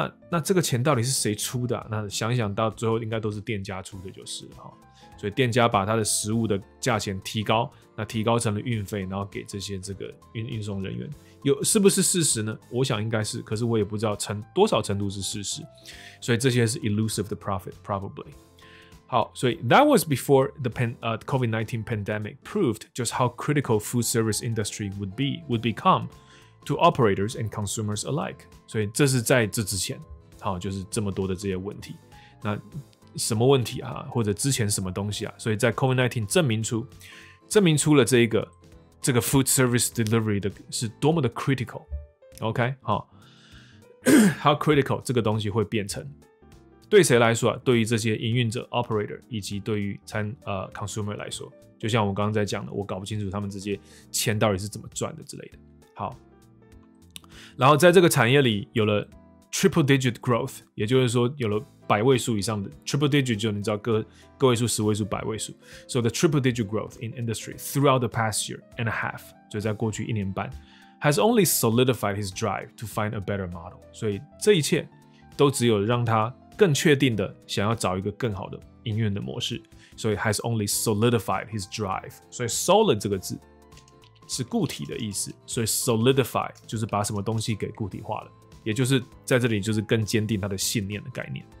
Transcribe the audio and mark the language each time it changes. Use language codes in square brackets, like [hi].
[zh] 那这个钱到底是谁出的、啊？那想一想到最后应该都是店家出的，就是哈。所以店家把他的食物的价钱提高，那提高成了运费，然后给这些这个运送人员，有是不是事实呢？我想应该是，可是我也不知道多少程度是事实。所以这些是 [en] elusive the profit probably。 [zh] 好，所以 [en] that was before the COVID-19 pandemic proved just how critical food service industry would become. To operators and consumers alike. [zh] 所以这是在这之前，好，就是这么多的这些问题。那什么问题啊？或者之前什么东西啊？所以在 COVID-19 证明出了这个 food service delivery 的是多么的 critical. OK， 好， [en] how critical [zh] 这个东西会变成对谁来说啊？对于这些营运者 operator 以及对于consumer 来说，就像我刚刚在讲的，我搞不清楚他们这些钱到底是怎么赚的之类的。好。然后在这个产业里有了 triple digit growth， 也就是说有了百位数以上的 triple digit， 就你知道个位数、十位数、百位数。 [en] So the triple digit growth in industry throughout the past year and a half， [zh] 就在过去一年半 [en] ，has only solidified his drive to find a better model。 [zh] 所以这一切都只有让他更确定的想要找一个更好的营运的模式。所以 [en] has only solidified his drive。 [zh] 所以 solid 这个字。是固体的意思，所以 solidify 就是把什么东西给固体化了，也就是在这里就是更坚定他的信念的概念。